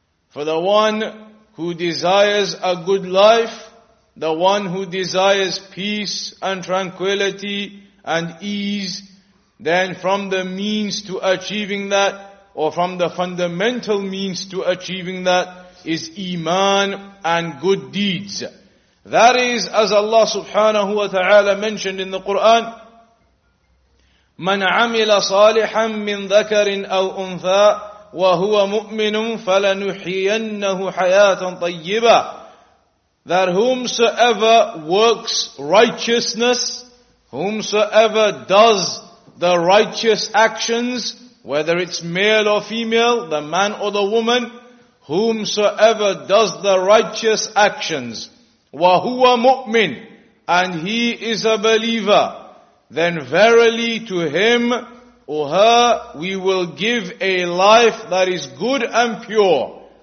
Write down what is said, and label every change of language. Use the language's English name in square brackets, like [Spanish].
[English] For the one who desires a good life, the one who desires peace and tranquility and ease, then from the means to achieving that, or from the fundamental means to achieving that, is iman and good deeds. That is, as Allah subhanahu wa ta'ala mentioned in the Quran, [Arabic] مَنْ عَمِلَ صَالِحًا مِّنْ ذَكَرٍ أَوْ أُنْثَىٰ وَهُوَ مُؤْمِنٌ فَلَنُحْيِيَنَّهُ حَيَاةً طَيِّبًا. [English] That whomsoever works righteousness, whomsoever does the righteous actions, whether it's male or female, the man or the woman, whomsoever does the righteous actions, [Arabic] وَهُوَ مُؤْمِنٌ, [English] and he is a believer, then verily to him or her we will give a life that is good and pure.